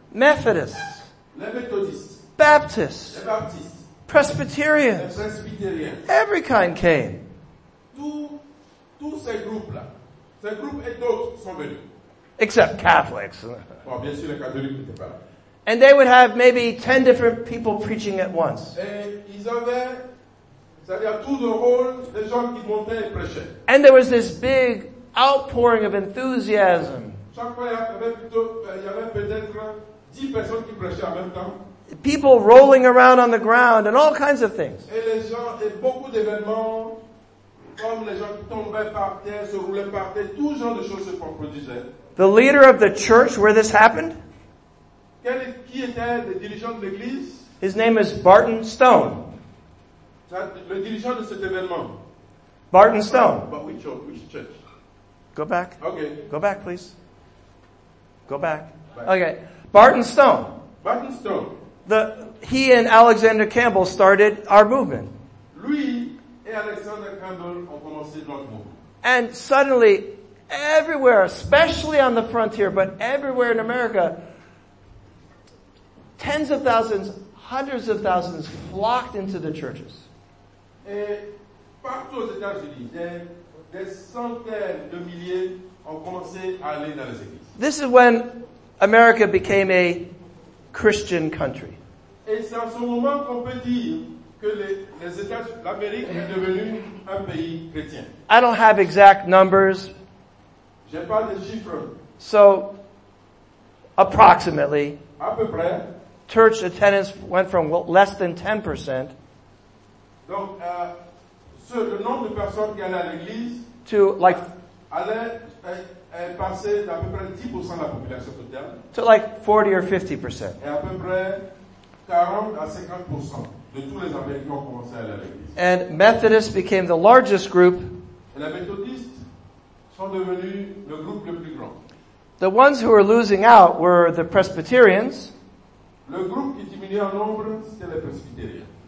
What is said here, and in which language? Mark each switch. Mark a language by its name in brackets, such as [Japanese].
[English] Methodists. [French] Les Méthodistes. [English] Baptists. [French] Les Baptistes. [English] Presbyterians. [French] Les Presbytériens. [English] Every kind came. [French] Tous ces groupes-là, ces groupes et d'autres sont venus. [English] Except Catholics. [French] Bon, bien sûr, les catholiques n'étaient pas là. [English] And they would have maybe 10 different people preaching at once. [French] Et ils avaient, c'est-à-dire tout le rôle des gens qui montaient et prêchaient. [English] And there was this big outpouring of enthusiasm. [French] Chaque fois, il y avait peut-être 10 personnes qui prêchaient en même temps. [English] People rolling around on the ground and all kinds of things. [French] Et les gens, et beaucoup d'événements, comme les gens qui tombaient par terre, se roulaient par terre, tout genre de choses se produisaient. [English] The leader of the church where this happened? [French] Qui était le dirigeant de l'église? [English] His name is Barton Stone. [French] Le dirigeant de cet événement. [English] Barton Stone. But which church? Go back. Okay. Go back, please. Go back. Bye. Okay. Barton Stone. Barton Stone. He and Alexander Campbell started our movement. [French] Lui et Alexander Campbell ont commencé notre mouvement. [English] And suddenly, everywhere, especially on the frontier, but everywhere in America, tens of thousands, hundreds of thousands flocked into the churches. [French] Et partout aux États-Unis, des centaines de milliers ont commencé à aller dans les églises. [English] This is when America became a Christian country. [French] Et c'est en ce moment qu'on peut dire que les États, l'Amérique est devenue un pays chrétien. [English] I don't have exact numbers. [French] J'ai pas de chiffres. [English] So, approximately, [French] à peu près, [English] church attendance went from less than 10%. [French] Donc, le nombre de personnes qui allaient à l'église [English] to like [French] allait passer d'à peu près 10% de la population totale [English] to like 40 or 50%. [French] Et à peu près 40 à 50% de tous les Américains ont commencé à aller à l'église. [English] And Methodists became the largest group. [French] Et les méthodistes sont devenus le groupe le plus grand. [English] The ones who were losing out were the Presbyterians. [French] Le groupe qui diminuait en nombre, c'était les Presbytériens.